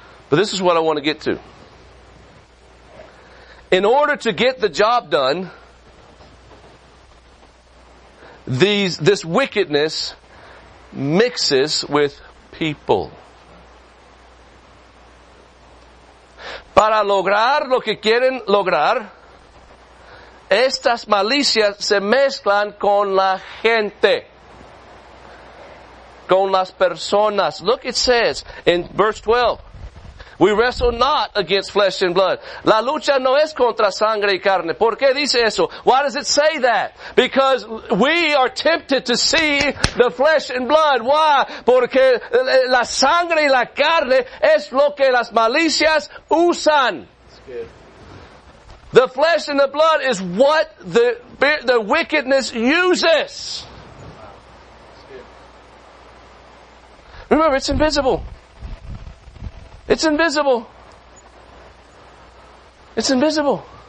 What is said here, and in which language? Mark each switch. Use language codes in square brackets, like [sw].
[en] But this is what I want to get to. In order to get the job done, this wickedness mixes with people. [es] Para lograr lo que quieren lograr, estas malicias se mezclan con la gente, con las personas. [en] Look, it says in verse 12, we wrestle not against flesh and blood. [es] La lucha no es contra sangre y carne. ¿Por qué dice eso? [en] Why does it say that? Because we are tempted to see the flesh and blood. Why? [es] Porque la sangre y la carne es lo que las malicias usan. [en] The flesh and the blood is what the wickedness uses. Remember, it's invisible. It's invisible. It's invisible.